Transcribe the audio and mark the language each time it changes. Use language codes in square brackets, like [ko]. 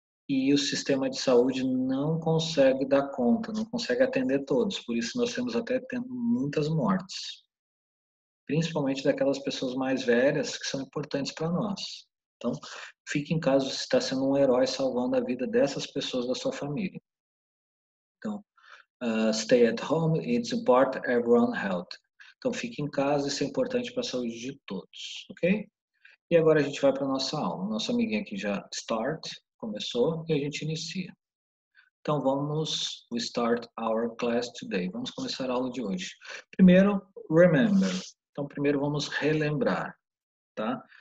[pt] E o sistema de saúde não consegue dar conta, não consegue atender todos. Por isso nós temos até tendo muitas mortes. Principalmente daquelas pessoas mais velhas que são importantes para nós. Então, fique em casa, você está sendo um herói salvando a vida dessas pessoas da sua família. [en] Então, stay at home, it's important everyone health. [pt] Então, fique em casa, isso é importante para a saúde de todos, ok? E agora a gente vai para a nossa aula. Nosso amiguinho aqui já start. Começou e a gente inicia. Então vamos [en] start our class today. [pt] Vamos começar a aula de hoje. Primeiro, remember. Então primeiro vamos relembrar, tá?